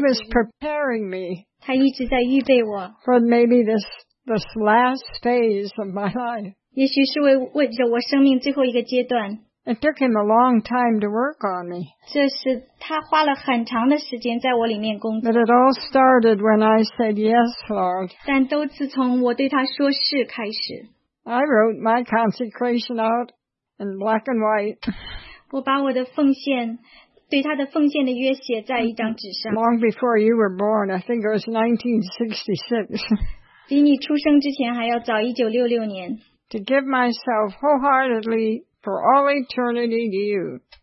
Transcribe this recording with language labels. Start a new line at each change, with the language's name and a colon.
English: He was preparing me.
Chinese: 他一直在预备我。
English: For maybe this last phase of my life.
Chinese: 也许是为着我生命最后一个阶段。
English: It took him a long time to work on me.
Chinese: 这是他花了很长的时间在我里面工作。
English: But it all started when I said yes, Lord.
Chinese: 但都自从我对他说是开始。
English: I wrote my consecration out in black and white.
Chinese: 我把我的奉献,对他的奉献的约写在一张纸上。
English: Long before you were born, I think it was 1966.
Chinese: 比你出生之前还要早,1966年。
English: To give myself wholeheartedly for all eternity to you.